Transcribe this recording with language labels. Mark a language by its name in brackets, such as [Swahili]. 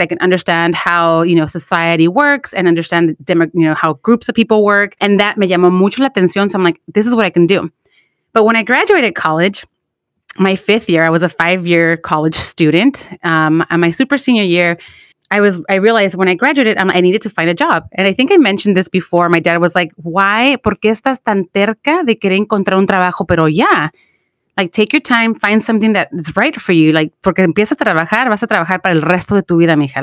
[English] I can understand how, you know, society works and understand how groups of people work. And that [Spanish] me llamó mucho la atención. [English] So I'm like, this is what I can do. But when I graduated college, my fifth year, I was a 5-year college student. And my super senior year, I realized when I graduated, I needed to find a job. And I think I mentioned this before. My dad was like, why? [Spanish] ¿Por qué estás tan terca de querer encontrar un trabajo? Pero ya, [English] like, take your time, find something that is right for you. [Spanish] Like, porque empiezas a trabajar, vas a trabajar para el resto de tu vida, mija.